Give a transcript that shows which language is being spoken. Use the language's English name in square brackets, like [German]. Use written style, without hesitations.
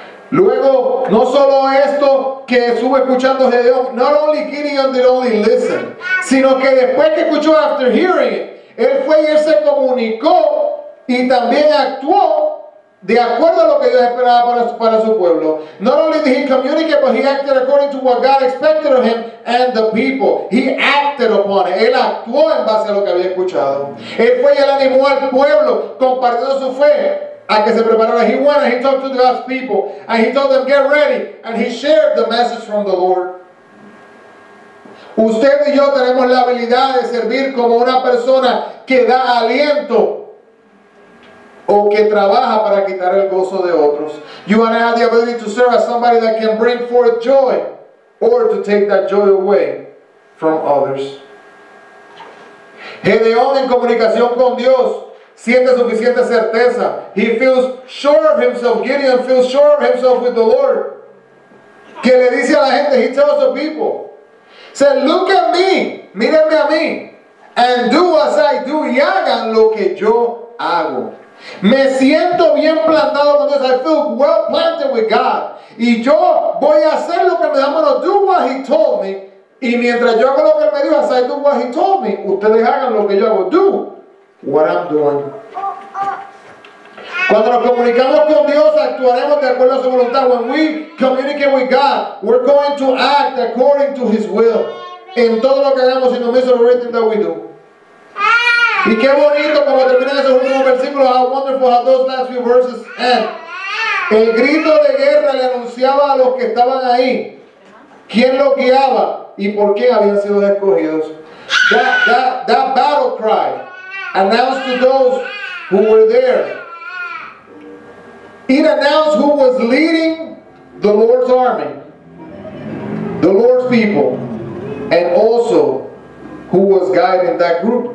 [Spanish] Luego, no solo esto que estuvo escuchando Gedeón, [English] not only Gideon did only listen, [Spanish] sino que después que escuchó, [English] after hearing it, [Spanish] él fue y él se comunicó y también actuó de acuerdo a lo que Dios esperaba para su pueblo. [English] Not only did he communicate, but he acted according to what God expected of him and the people. He acted upon it. [Spanish] Él actuó en base a lo que había escuchado. Él fue y él animó al pueblo compartiendo su fe. A que se preparara. [English] He went and he talked to God's people and he told them, get ready, and he shared the message from the Lord. [Spanish] Usted y yo tenemos la habilidad de servir como una persona que da aliento o que trabaja para quitar el gozo de otros. [English] You and I have the ability to serve as somebody that can bring forth joy or to take that joy away from others. [Spanish] Gedeón, en comunicación con Dios, siente suficiente certeza. [English] He feels sure of himself. Gideon feels sure of himself with the Lord. [Spanish] Que le dice a la gente, [English] he tells the people. Said, look at me. [Spanish] Mírenme a mí. [English] And do as I do. [Spanish] Y hagan lo que yo hago. Me siento bien plantado con Dios. [English] I feel well planted with God. [Spanish] Y yo voy a hacer lo que me da mano. [English] Do what he told me. [Spanish] Y mientras yo hago lo que me dijo, [English] as I do what he told me, [Spanish] ustedes hagan lo que yo hago. [English] Do what I'm doing. [Spanish] Cuando nos comunicamos con Dios, actuaremos de acuerdo a su voluntad. [English] When we communicate with God, we're going to act according to His will. [Spanish] En todo lo que hagamos, [English] in the midst of everything that we do. [Spanish] Y qué bonito como termina ese último versículo. [English] How wonderful how those last few verses end. [Spanish] El grito de guerra le anunciaba a los que estaban ahí quién lo guiaba y por qué habían sido escogidos. [English] That battle cry announced to those who were there. It announced who was leading the Lord's army, the Lord's people, and also who was guiding that group.